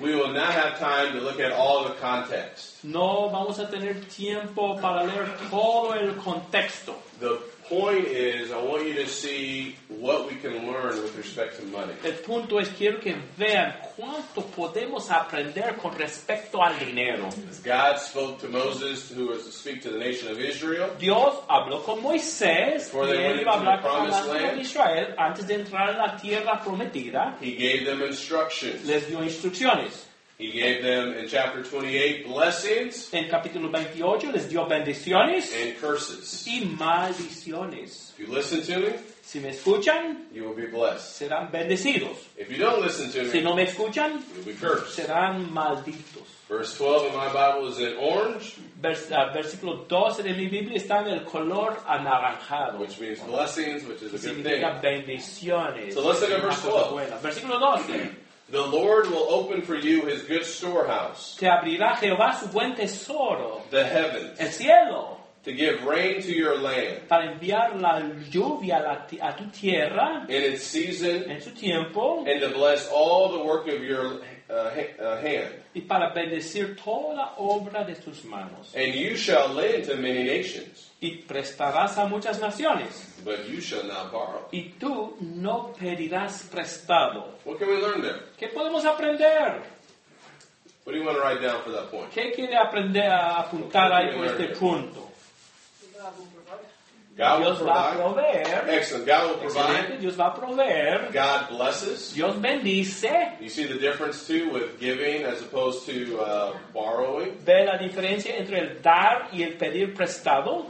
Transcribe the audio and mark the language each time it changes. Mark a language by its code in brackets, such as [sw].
[en] We will not have time to look at all the context. [es] No vamos a tener tiempo para leer todo el contexto. [en] The point is, I want you to see what we can learn with respect to money. [es] El punto es, quiero que vean cuánto podemos aprender con respecto al dinero. [en] As God spoke to Moses, who was the speak to the nation of Israel. [es] Dios habló con Moisés y él iba a hablar con la nación de Israel antes de entrar en la tierra prometida. [en] He gave them instructions. [es] Les dio instrucciones. [en] He gave them in chapter 28 blessings. [es] En capítulo 28 les dio bendiciones [en] and curses. [es] Y maldiciones. [en] If you listen to me, [es] si me escuchan, [en] you will be blessed. [es] Serán bendecidos. [en] If you don't listen to me, [es] si no me escuchan, [en] you will be cursed. [es] Serán malditos. [en] Verse 12 in my Bible is in orange. [es] Versículo 12 de mi Biblia está en el color anaranjado. [en] Which means blessings, which is a good thing. [es] Significa bendiciones. [en] So let's look at verse 12. [es] Versículo 12. [en] The Lord will open for you His good storehouse. [es] Te abrirá Jehová su buen tesoro. [en] The heavens. [es] El cielo. [en] To give rain to your land. [es] Para enviar la lluvia a tu tierra. [en] In its season. [es] En su tiempo. [en] And to bless all the work of your hand. [es] Y para bendecir toda la obra de tus manos. [en] And you shall lend to many nations. [es] Y prestarás a muchas naciones. [en] But you shall not borrow. [es] Y tú no pedirás prestado. [en] What can we learn there? [es] ¿Qué podemos aprender? [en] What do you want to write down for that point? [es] ¿Qué quiere aprender a apuntar ahí por este punto? [en] God [es] Dios [en] will provide. [es] Va a proveer. [en] Excellent. God will provide. [es] Excelente. Dios va a proveer. [en] God blesses. [es] Dios bendice. [en] You see the difference too with giving as opposed to borrowing? [es] ¿Ve la diferencia entre el dar y el pedir prestado?